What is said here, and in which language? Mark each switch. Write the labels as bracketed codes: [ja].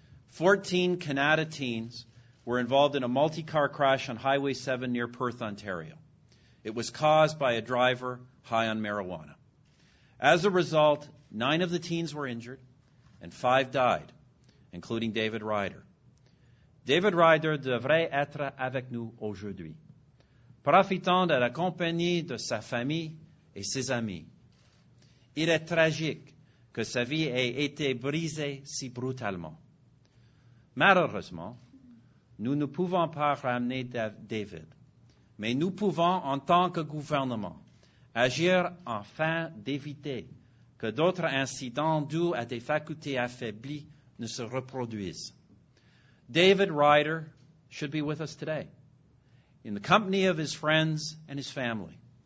[en] 14 Kanata teens were involved in a multi-car crash on Highway 7 near Perth, Ontario. It was caused by a driver high on marijuana. As a result, 9 of the teens were injured and 5 died, including David Ryder. [fr] David Ryder devrait être avec nous aujourd'hui. Profitant de la compagnie de sa famille et ses amis, il est tragique que sa vie ait été brisée si brutalement. Malheureusement, nous ne pouvons pas ramener David, mais nous pouvons, en tant que gouvernement, agir afin d'éviter que d'autres incidents dus à des facultés affaiblies ne se reproduisent. [en] David Ryder should be with us today, in the company of his friends and his family.